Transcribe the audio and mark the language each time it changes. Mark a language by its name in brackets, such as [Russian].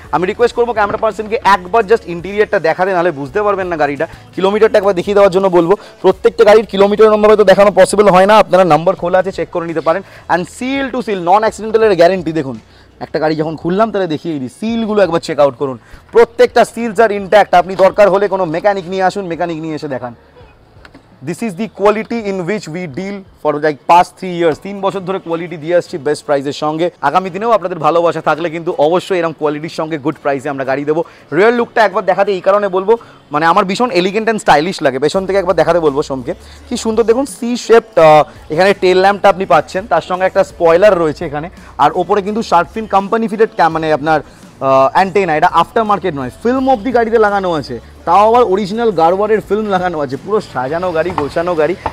[Bangla] আমি রিকোয়েস্ট করবো ক্যামেরা পার্সনকে একবার জাস্ট ইন্টিরিয়ারটা দেখাতে, নাহলে বুঝতে পারবেন না গাড়িটা, কিলোমিটারটা একবার দেখিয়ে দেওয়ার জন্য বলবো। প্রত্যেকটা গাড়ির কিলোমিটার নম্বর হয়তো দেখানো পসিবল হয় না, আপনারা নাম্বার খোলা আছে চেক করে নিতে পারেন। And seal two seal, non অ্যাক্সিডেন্টালের guarantee, দেখুন একটা গাড়ি যখন খুললাম তাহলে দেখিয়ে দিই, সিলগুলো একবার চেক আউট করুন, প্রত্যেকটা [English] Seals are intact. [Bangla] আপনি দরকার হলে কোনো মেকানিক নিয়ে আসুন, মেকানিক নিয়ে এসে দেখান। [English] This is the quality in which we deal for like past 3 years. [Bangla] 3 বছর ধরে কোয়ালিটি দিয়ে আসছি বেস্ট প্রাইসের সঙ্গে। আগামী দিনেও আপনাদের ভালোবাসা থাকলে কিন্তু অবশ্যই এরকম কোয়ালিটির সঙ্গে গুড প্রাইসে আমরা গাড়ি দেবো। রিয়েল লুকটা একবার দেখাতে এই কারণে বলবো, মানে আমার ভীষণ এলিগেন্ট অ্যান্ড স্টাইলিশ লাগে, পেছন থেকে একবার দেখাতে বলবো সোমকে। কি সুন্দর, দেখুন সি শেপড, এখানে টেল ল্যাম্পটা আপনি পাচ্ছেন, তার সঙ্গে একটা স্পয়লার রয়েছে এখানে, আর ওপরে কিন্তু শার্কফিন কোম্পানি ফিটেড ক্যাম, মানে আপনার অ্যান্টেনা, এটা আফটার মার্কেট নয়, ফিল্ম অব দি গাড়িতে লাগানো আছে, তাও আবার অরিজিনাল গারওয়ারের ফিল্ম লাগানো আছে, পুরো সাজানো গাড়ি, গোছানো গাড়ি।